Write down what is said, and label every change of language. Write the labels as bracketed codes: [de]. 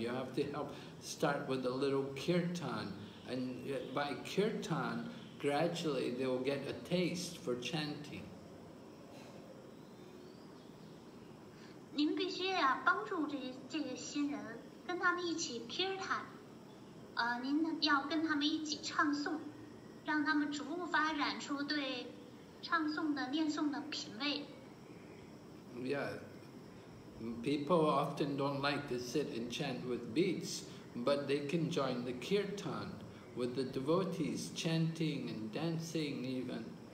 [en] You have to help start with a little kirtan, and by kirtan, gradually they will get a taste for chanting. [zh] 您必须要帮助这些新人，跟他们一起 kirtan。您要跟他们一起唱诵。让他们逐步发展出对唱诵的、念诵的品味。 [en] Yeah, people often don't like to sit and chant with beats, but they can join the kirtan with the devotees chanting and dancing even.